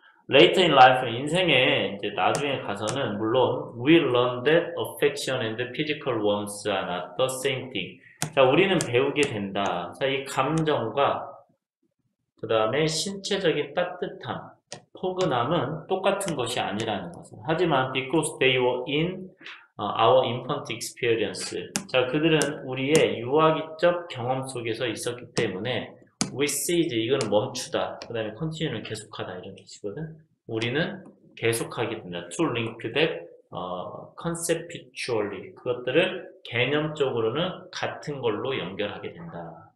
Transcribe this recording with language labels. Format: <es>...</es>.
<en>Later in life,</en> <ko>인생에 이제 나중에 가서는 물론</ko> <en>we learn that affection and physical warmth are not the same thing.</en> <ko>자, 우리는 배우게 된다. 자, 이 감정과 그 다음에 신체적인 따뜻함, 포근함은 똑같은 것이 아니라는 것을. 하지만</ko> <en>because they were in our infant experience.</en> <ko>자, 그들은 우리의 유아기적 경험 속에서 있었기 때문에</ko> <en>we seize,</en> <ko>이거는 멈추다. 그 다음에 continue는 계속하다. 이런 뜻이거든. 우리는 계속하게 된다.</ko> <en>To link that conceptually.</en> <ko>그것들을 개념적으로는 같은 걸로 연결하게 된다.</ko>